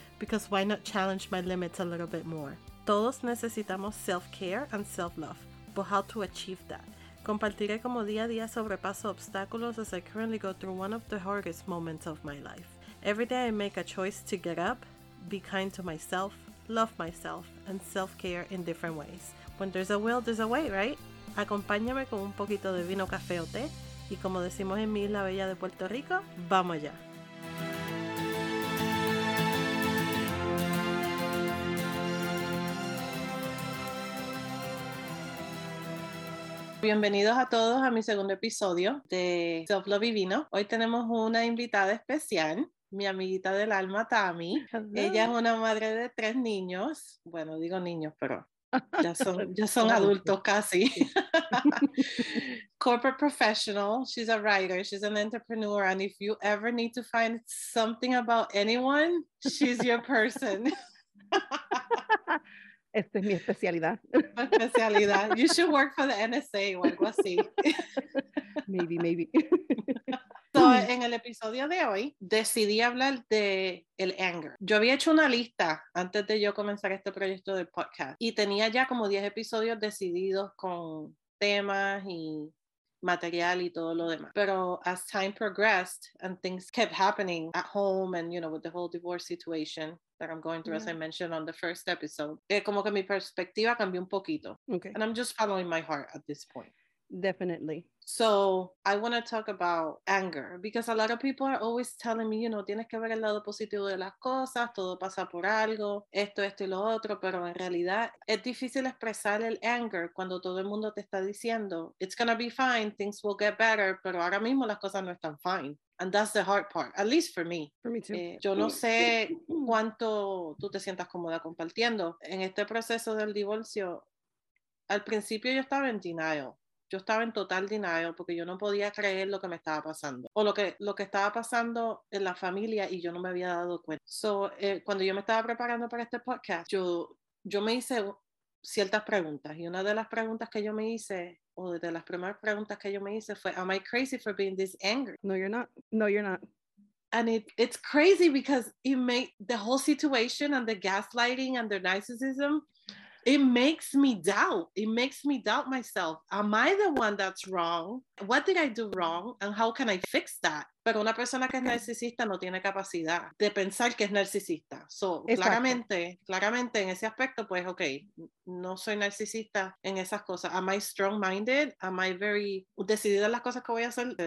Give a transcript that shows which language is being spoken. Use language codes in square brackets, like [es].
[en] Because why not challenge my limits a little bit more? [es] Todos necesitamos [en] self-care and self-love, but how to achieve that? [es] Compartiré como día a día sobrepaso obstáculos [en] as I currently go through one of the hardest moments of my life. Every day I make a choice to get up, be kind to myself, love myself, and self-care in different ways. When there's a will, there's a way, right? [es] Acompáñame con un poquito de vino, café o té. Y como decimos en mi isla bella de Puerto Rico, ¡vamos allá! Bienvenidos a todos a mi segundo episodio de Self Love y Vino. Hoy tenemos una invitada especial. Mi amiguita del alma, Tami. [en] Hello. [es] Ella es una madre de tres niños. Bueno, digo niños, pero ya son adultos casi. [en] Corporate professional. She's a writer. She's an entrepreneur. And if you ever need to find something about anyone, she's your person. [es] Esta es mi especialidad. Especialidad. [en] You should work for the NSA [es] o algo así. [en] Maybe. [es] So, en el episodio de hoy decidí hablar de el anger. Yo había hecho una lista antes de yo comenzar este proyecto del podcast y tenía ya como 10 episodios decididos con temas y material y todo lo demás. [en] Pero as time progressed and things kept happening at home and, you know, with the whole divorce situation that I'm going through, yeah, as I mentioned on the first episode, [es] como que mi perspectiva cambió un poquito. [en] Okay. And I'm just following my heart at this point. Definitely. So I want to talk about anger because a lot of people are always telling me, you know, [es] tienes que ver el lado positivo de las cosas, todo pasa por algo, esto y lo otro, pero en realidad es difícil expresar el anger cuando todo el mundo te está diciendo, [en] it's going to be fine, things will get better, [es] pero ahora mismo las cosas no están fine. [en] And that's the hard part, at least for me. For me too. [es] Yo no sé cuánto tú te sientas cómoda compartiendo. En este proceso del divorcio, al principio yo estaba en denial. Yo estaba en total denial porque yo no podía creer lo que me estaba pasando. O lo que estaba pasando en la familia y yo no me había dado cuenta. So, cuando yo me estaba preparando para este podcast, yo me hice ciertas preguntas. Y una de las preguntas que yo me hice, o de las primeras preguntas que yo me hice fue, [en] am I crazy for being this angry? No, you're not. No, you're not. And it's crazy because it made the whole situation and the gaslighting and the narcissism, It makes me doubt myself. Am I the one that's wrong? What did I do wrong? And how can I fix that? [es] Pero una persona que es narcisista no tiene capacidad de pensar que es narcisista. So, claramente en ese aspecto, pues, okay, no soy narcisista en esas cosas. [en] Am I strong-minded? Am I very [es] decidida en las cosas que voy a hacer?